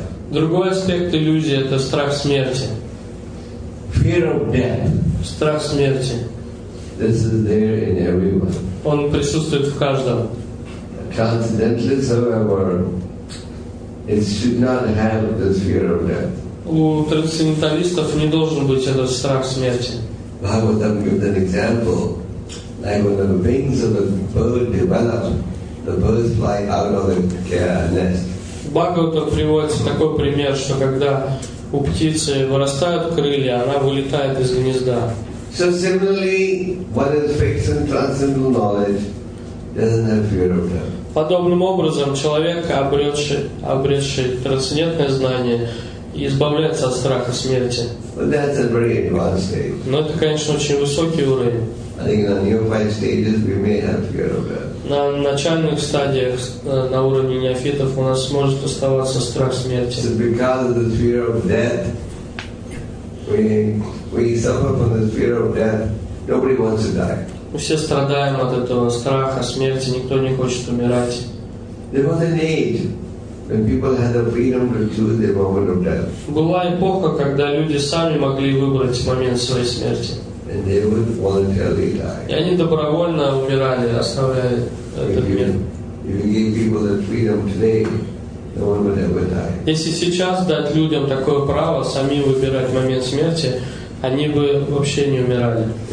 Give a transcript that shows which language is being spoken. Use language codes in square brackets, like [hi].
[ru] Другой аспект иллюзии – это страх смерти. [en] Fear of death. [ru] Страх смерти. [en] This is there in everyone. [ru] Он присутствует в каждом. [en] Coincidentally, however, it should not have this fear of death. [ru] У трансценденталистов не должен быть этот страх смерти. [en] Bhagavatam gives an example. Like when the wings of a bird develop, the birds fly out of their nest. [ru] Бхагаватам приводится такой пример, что когда у птицы вырастают крылья, она вылетает из гнезда. [en] So similarly, what is fixed in transcendental knowledge doesn't have fear of death. [ru] Подобным образом человек, обретший трансцендентное знание, избавляется от страха смерти. [en] But that's a very advanced stage. [ru] Но это, конечно, очень высокий уровень. [en] I think on neophyte stages we may have fear of death. [ru] На начальных стадиях, на уровне неофитов, у нас может оставаться страх смерти. [en] So because of the fear of death, we suffer from the fear of death. Nobody wants to die. [ru] Мы все страдаем от этого страха смерти, никто не хочет умирать. [en] There was an age when people had the freedom to choose their moment of death. [ru] Была эпоха, когда люди сами могли выбрать момент своей смерти. [en] And they would voluntarily die. [ru] И они добровольно умирали, оставляя этот мир. [en] If you give people that freedom today, no one would ever die. [ru] Если сейчас дать людям такое право сами выбирать момент смерти, они бы вообще не умирали.